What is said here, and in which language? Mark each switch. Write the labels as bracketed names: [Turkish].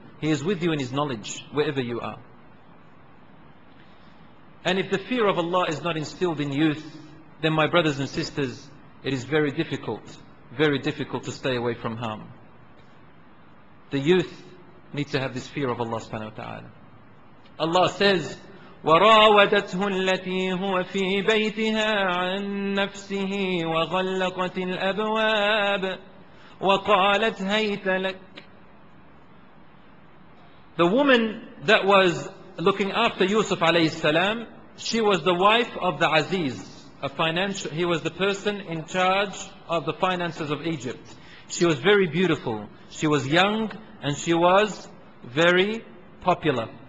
[English] He is with you in His knowledge, wherever you are. And if the fear of Allah is not instilled in youth, then my brothers and sisters, it is very difficult to stay away from harm. The youth need to have this fear of Allah subhanahu wa ta'ala. Allah says, [Arabic] وَرَاوَدَتْهُ الَّتِي هُوَ فِي بَيْتِهَا عَن نَفْسِهِ وَغَلَّقَتِ الْأَبْوَابِ وَقَالَتْ هَيْتَ لَكَ. [English] The woman that was looking after Yusuf alayhi salam, she was the wife of the Aziz, a financial, he was the person in charge of the finances of Egypt. She was very beautiful, she was young, and she was very popular.